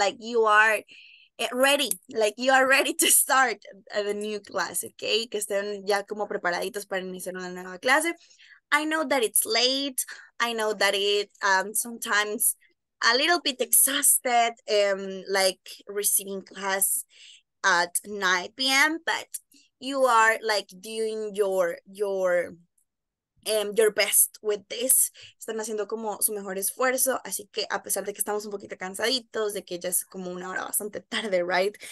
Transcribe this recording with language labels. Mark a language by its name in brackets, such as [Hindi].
[English] Like you are ready, like you are ready to start the new class, okay? [Spanish] Que estén ya como preparaditos para iniciar una nueva clase. [English] I know that it's late. I know that it sometimes a little bit exhausted, like receiving class at 9 p.m. But you are like doing your best with this. [Spanish] Están haciendo como su mejor esfuerzo, así que a pesar de que estamos un poquito cansaditos, de que ya es como una hora bastante tarde, right?